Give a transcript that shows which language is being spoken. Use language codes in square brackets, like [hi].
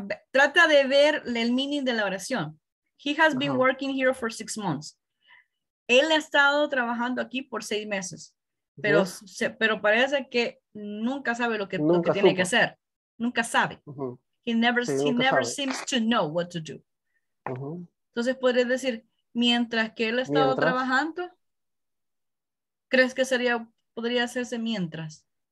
[es] Trata de ver el meaning de la oración. [en] He has been working here for 6 months. [es] Él ha estado trabajando aquí por 6 meses. Pero, yes. pero parece que nunca sabe lo que tiene que hacer. Nunca sabe. Uh-huh. [en] He never seems to know what to do. Uh-huh. [es] Entonces podría decir, mientras que él ha estado trabajando, ¿crees que sería podría hacerse mientras?